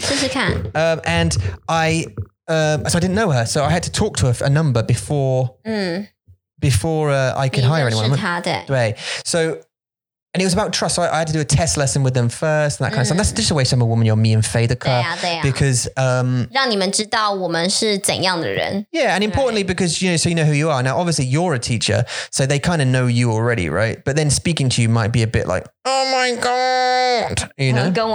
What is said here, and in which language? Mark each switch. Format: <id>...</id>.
<zh>试试看.</zh> <en>And so I didn't know her, so I had to talk to her for a number before I could hire anyone.</en> <zh>你认识他的。对,</zh> <en>so, and it was about trust, so I had to do a test lesson with them first and that kind of stuff. That's just the way some of women are, me and Faye, the car. Because,</en> <zh>让你们知道我们是怎样的人.</zh> <en>Yeah, and importantly, right. Because, you know, so you know who you are. Now, obviously, you're a teacher, so they kind of know you already, right? But then speaking to you might be a bit like, oh my God, you know?</en>